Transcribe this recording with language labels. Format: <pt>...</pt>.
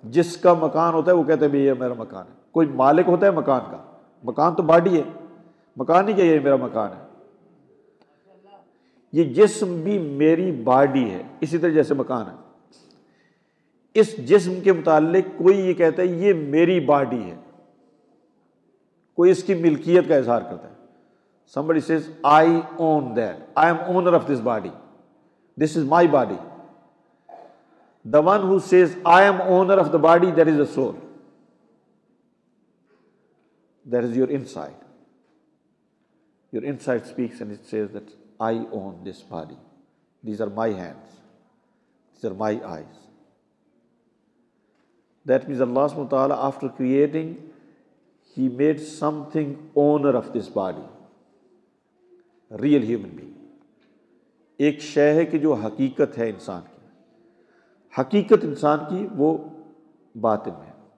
<ur>جس کا مکان ہوتا ہے وہ کہتا ہے یہ میرا مکان ہے. کوئی مالک ہوتا ہے مکان کا, مکان تو باڈی ہے, مکان نہیں کہ یہ میرا مکان ہے. یہ جسم بھی میری باڈی ہے, اسی طرح جیسے مکان ہے. اس جسم کے متعلق کوئی یہ کہتا ہے یہ میری باڈی ہے, کوئی اس کی ملکیت کا اظہار کرتا ہے.</ur> <en>Somebody says I own that, I am owner of this body, this is my body. The one who says I am owner of the body, that is a soul, that is your inside. Your inside speaks and it says that I own this body, these are my hands, these are my eyes. That means Allah subhanahu wa ta'ala, after creating, He made something owner of this body, real human being.</en> <ur>ایک شے ہے کہ جو حقیقت ہے انسان کی, حقیقت انسان کی وہ باطن ہے.</ur>